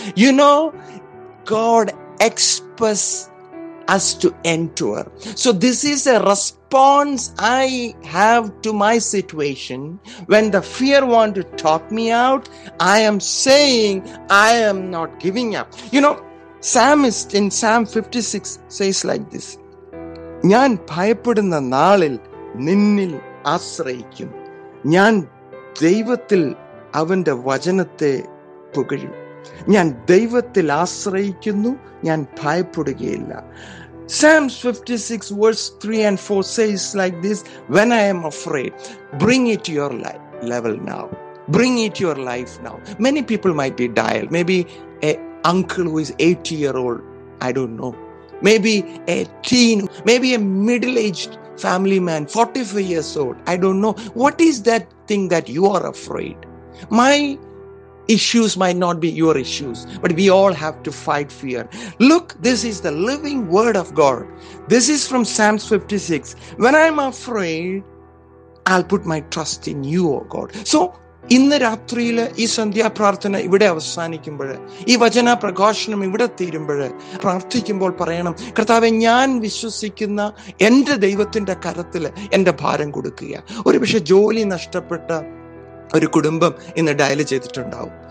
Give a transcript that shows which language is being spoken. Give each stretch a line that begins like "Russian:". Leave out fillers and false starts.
English: You know, God expects us to endure. So this is a response I have to my situation. When the fear want to talk me out, I am saying I am not giving up. You know, psalmist in Psalm 56 says like this,
Malayalam: ഞാൻ ഭയപ്പെടുന്ന നാളിൽ നിന്നിൽ ആശ്രയിക്കും, ഞാൻ ദൈവത്തിൽ അവന്റെ വചനത്തെ പുകഴും. ഞാൻ ദൈവത്തിൽ ആശ്രയിക്കുന്നു, ഞാൻ ഭയപ്പെടുകയില്ല.
English: Psalms 56 verse 3 and 4 says like this, when I am afraid, bring it to your level now. Bring it to your life now. Many people might be dialed. Maybe a uncle who is 80-year-old, I don't know. Maybe a teen, maybe a middle-aged family man, 45 years old, I don't know. What is that thing that you are afraid? My issues might not be your issues, but we all have to fight fear. Look, this is the living word of God. This is from Psalms 56. When I'm afraid, I'll put my trust in you, O God.
Malayalam: So ഇന്ന് രാത്രിയിൽ ഈ സന്ധ്യാ പ്രാർത്ഥന ഇവിടെ അവസാനിക്കുമ്പോൾ, ഈ വചന പ്രഘോഷണം ഇവിടെ തീരുമ്പോൾ, പ്രാർത്ഥിക്കുമ്പോൾ പറയണം, കർത്താവെ, ഞാൻ വിശ്വസിക്കുന്ന എൻ്റെ ദൈവത്തിൻ്റെ കരത്തിൽ എൻ്റെ ഭാരം കൊടുക്കുക. ഒരു പക്ഷേ ജോലി നഷ്ടപ്പെട്ട ഒരു കുടുംബം ഇന്ന് ഡയല് ചെയ്തിട്ടുണ്ടാവും.